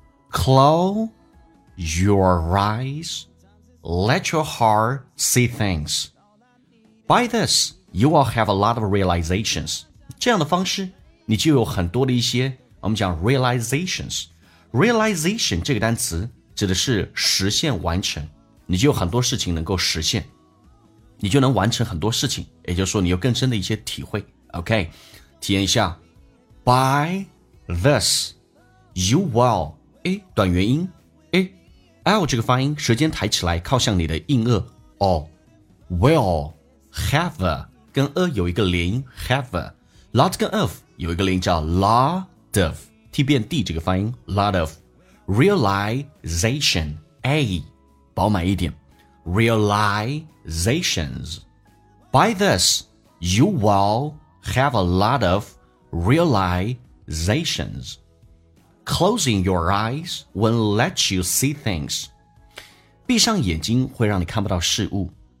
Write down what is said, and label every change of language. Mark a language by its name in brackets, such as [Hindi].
[English] Close your eyes, let your heart see things. By this, you will have a lot of realizations. [Chinese] 这样的方式你就有很多的一些，我们讲 realizations. Realization 这个单词指的是实现完成，你就有很多事情能够实现，你就能完成很多事情，也就是说你有更深的一些体会。 OK, 体验一下。 [English] By this, you will, [Chinese] A 短元音， A L 这个发音，舌尖抬起来靠向你的硬腭， [English] or will have a, [Chinese] 跟 a 有一个连音， have a lot 跟 of 有一个连音叫 lot of, T 变 D 这个发音， [English] lot of realization, [Chinese] A 饱满一点，realizations. [English] By this, you will have a lot of realizations. Closing your eyes will let you see things. [Chinese] 闭上眼睛会让你看不到事物。